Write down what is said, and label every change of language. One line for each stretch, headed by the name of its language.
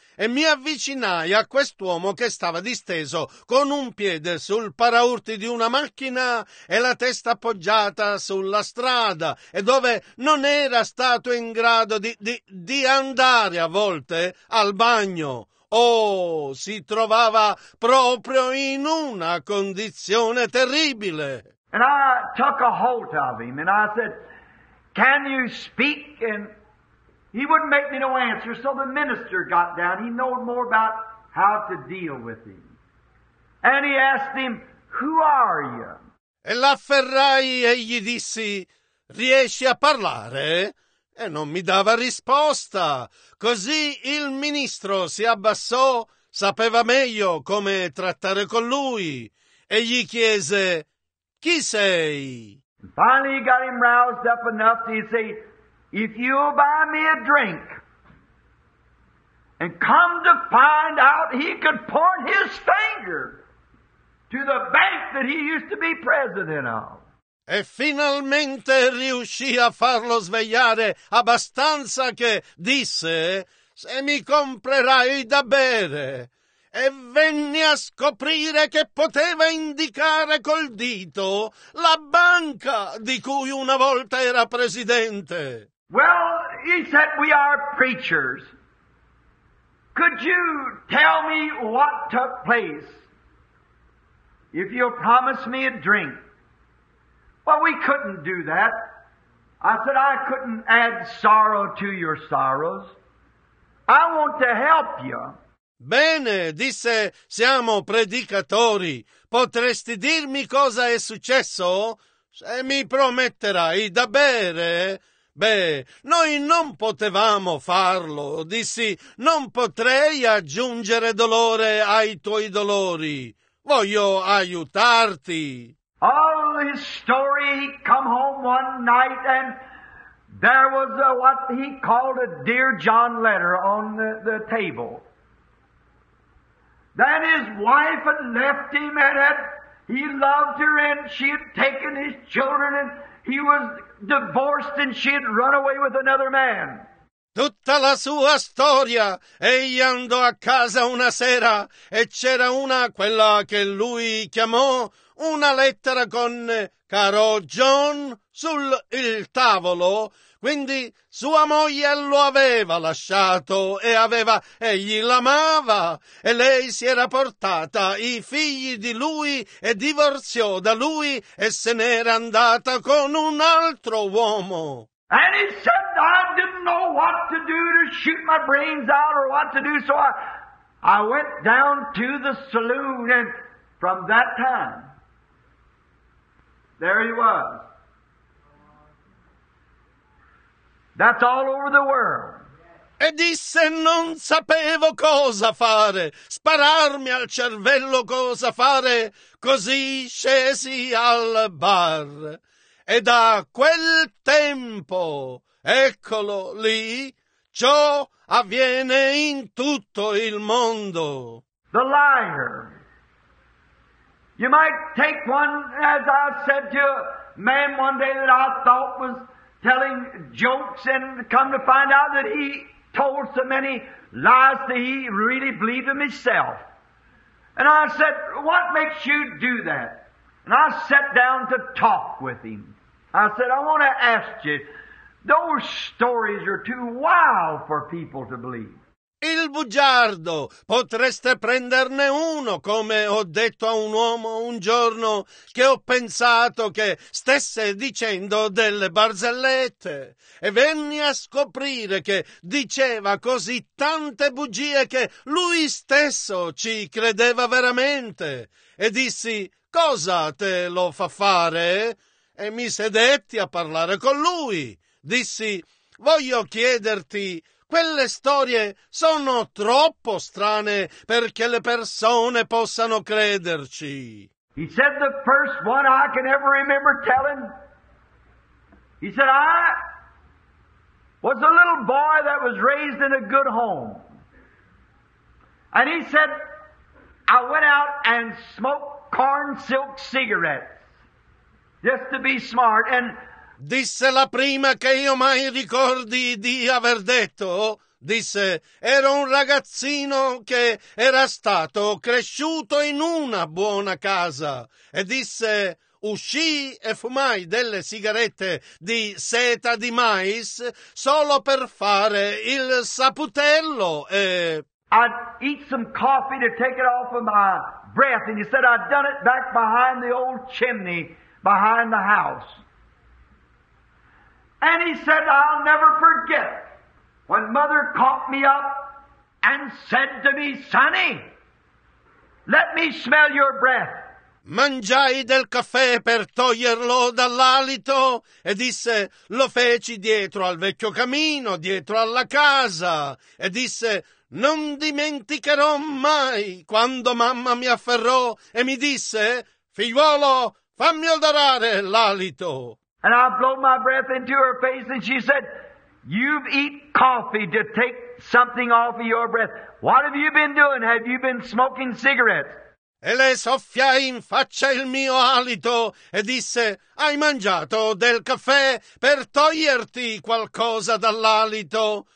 Italian: E mi avvicinai a quest'uomo che stava disteso con un piede sul paraurti di una macchina e la testa appoggiata sulla strada e dove non era stato in grado di andare a volte al bagno. Oh, si trovava proprio in una condizione terribile.
English: And I took a hold of him, and I said, can you speak? And he wouldn't make me no answer, so the minister got down. He knew more about how to deal with him. And he asked him, who are you?
Italian: E l'afferrai e gli dissi, riesci a parlare? E non mi dava risposta. Così il ministro si abbassò, sapeva meglio come trattare con lui, e gli chiese, chi sei?
English: Finally he got him roused up enough to say, if you'll buy me a drink and come to find out he could point his finger to the bank that he used to be president of.
Italian: E finalmente riuscì a farlo svegliare abbastanza che disse, se mi comprerai da bere. E venne a scoprire che poteva indicare col dito la banca di cui una volta era presidente.
English: Well, he said, we are preachers. Could you tell me what took place if you'll promise me a drink? Well, we couldn't do that. I said, I couldn't add sorrow to your sorrows. I want to help you.
Italian: Bene, disse, siamo predicatori. Potresti dirmi cosa è successo? Se mi prometterai da bere? Beh, noi non potevamo farlo. Dissi, non potrei aggiungere dolore ai tuoi dolori. Voglio aiutarti.
English: All his story, he come home one night and there was what he called a Dear John letter on the table. Then his wife had left him and he loved her and she had taken his children and he was divorced and she had run away with another man.
Italian: Tutta la sua storia, egli andò a casa una sera e c'era una, quella che lui chiamò, una lettera con caro John sul il tavolo. Quindi sua moglie lo aveva lasciato e aveva egli l'amava e lei si era portata i figli di lui e divorziò da lui e se n'era andata con un altro uomo.
English: And he said, I didn't know what to do to shoot my brains out or what to do, so I went down to the saloon and from that time, there he was. That's all over the world.
Italian: E disse non sapevo cosa fare, spararmi al cervello cosa fare, così scesi al bar. E da quel tempo, eccolo lì, ciò avviene in tutto il mondo.
English: The liar, You might take one, as I said to a man one day that I thought was telling jokes, and come to find out that he told so many lies that he really believed in himself. And I said, what makes you do that? And I sat down to talk with him. I said, I want to ask you, those stories are too wild for people to believe.
Italian: Il bugiardo, potreste prenderne uno, come ho detto a un uomo un giorno che ho pensato che stesse dicendo delle barzellette, e venni a scoprire che diceva così tante bugie che lui stesso ci credeva veramente, e dissi: cosa te lo fa fare? E mi sedetti a parlare con lui. Dissi: voglio chiederti, quelle storie sono troppo strane perché le persone possano crederci.
English: He said the first one I can ever remember telling. He said, I was a little boy that was raised in a good home. And he said, I went out and smoked corn silk cigarettes just to be smart. And
Italian: disse la prima che io mai ricordi di aver detto, disse, ero un ragazzino che era stato cresciuto in una buona casa, e disse, uscii e fumai delle sigarette di seta di mais solo per fare il saputello, e
English: I'd eat some coffee to take it off of my breath, and he said I'd done it back behind the old chimney behind the house. And he said, I'll never forget when mother caught me up and said to me, Sonny, let me smell your breath.
Italian: Mangiai del caffè per toglierlo dall'alito, e disse, lo feci dietro al vecchio camino, dietro alla casa, e disse, non dimenticherò mai quando mamma mi afferrò e mi disse, figliuolo, fammi odorare l'alito.
English: And I blow my breath into her face, and she said, you've eat coffee to take something off of your breath. What have you been doing? Have you been smoking cigarettes?
Italian: E le soffiai in faccia il mio alito e disse, hai mangiato del caffè per toglierti qualcosa dall'alito.